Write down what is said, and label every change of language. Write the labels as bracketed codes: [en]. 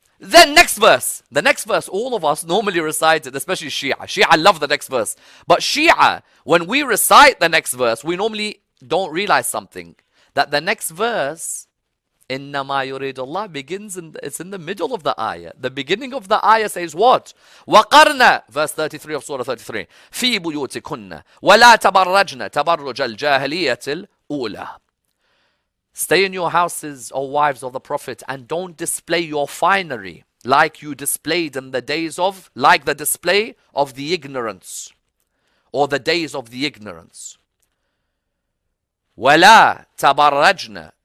[en] Then next verse, the next verse, all of us normally recite it, especially Shia. Shia love the next verse. But Shia, when we recite the next verse, we normally don't realize something. That the next verse, [ar] إِنَّمَا يُرِيدُ اللَّهُ, [en] begins, it's in the middle of the ayah. The beginning of the ayah says what? [ar] وَقَرْنَا, [en] verse 33 of Surah 33, [ar] فِي بُيُوتِكُنَّ وَلَا تَبَرَّجْنَا تَبَرُّجَ الْجَاهِلِيَّةِ الْأُولَى. [en] Stay in your houses, O wives of the Prophet, and don't display your finery like you displayed in the days of, like the display of the ignorance, or the days of the ignorance. [ar] وَلَا تَبَرَّجْنَا.